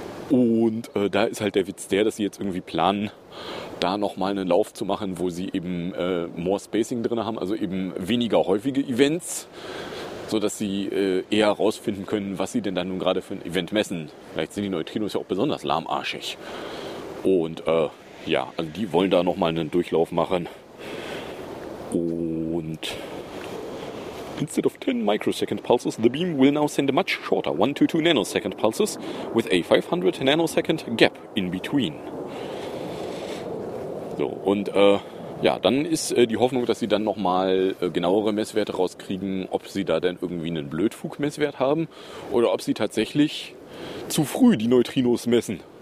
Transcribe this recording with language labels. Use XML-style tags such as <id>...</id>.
<de>Und da ist halt der Witz der, dass sie jetzt irgendwie planen, da nochmal einen Lauf zu machen, wo sie eben</de> <en>more Spacing</en> <de>drin haben, also eben weniger häufige Events, sodass sie eher rausfinden können, was sie denn dann nun gerade für ein Event messen. Vielleicht sind die Neutrinos ja auch besonders lahmarschig. Und also die wollen da nochmal einen Durchlauf machen.</de> <en>Und instead of 10 microsecond pulses, the beam will now send a much shorter 1-2 nanosecond pulses with a 500 nanosecond gap in between.</en> <de>So, und dann ist die Hoffnung, dass sie dann nochmal genauere Messwerte rauskriegen, ob sie da denn irgendwie einen Blödfug-Messwert haben oder ob sie tatsächlich zu früh die Neutrinos messen.</de>